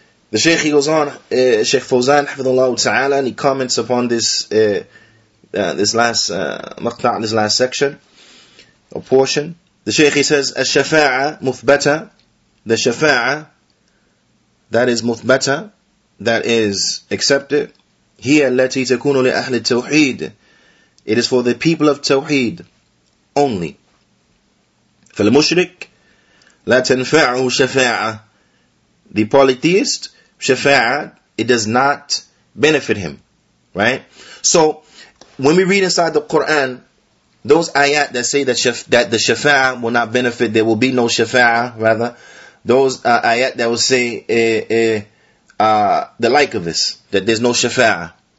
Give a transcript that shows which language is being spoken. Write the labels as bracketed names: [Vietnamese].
[English] The Shaykh, he goes on, Shaykh Fawzan, Hafidhullah Ta'ala, and he comments upon this this last section, or portion. The Shaykh, he says, Al-Shafa'a Muthbata, the Shafa'a, that is muthbata, that is accepted. [Arabic] هي التي تكون لأهل التوحيد. [English] It is for the people of Tawheed only. [Arabic] فالمشرك لا تنفعه شفاعة. [English] The polytheist, شفاعة, it does not benefit him. Right? So, when we read inside the Quran, those ayat that say that the شفاعة will not benefit, there will be no شفاعة, rather, those ayat that will say the like of this, that there's no shafa'ah.